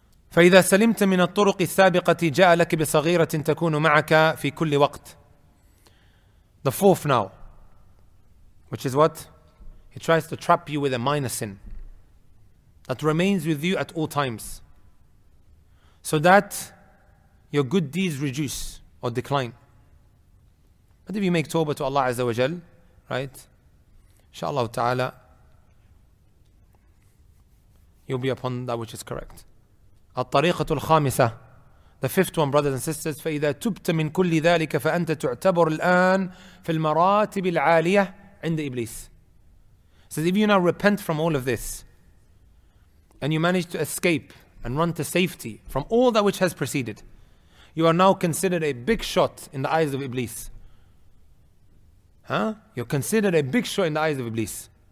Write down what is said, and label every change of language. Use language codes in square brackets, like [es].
[ar] فإذا سلمت من الطرق السابقة جاء لك بصغيرة تكون معك في كل وقت. [en] The fourth now. Which is what? He tries to trap you with a minor sin. That remains with you at all times. So that your good deeds reduce or decline. But if you make tawbah to Allah Azza wa Jal, right? Inshallah ta'ala, you'll be upon that which is correct. [ar] الطريقة الخامسة. [en] The fifth one, brothers and sisters. [ar] فإذا تبت من كل ذلك فأنت تعتبر الآن في المراتب العالية عند إبليس. [en] So if you now repent from all of this, and you manage to escape and run to safety from all that which has preceded, you are now considered a big shot in the eyes of Iblis. Huh? You're considered a big shot in the eyes of Iblis.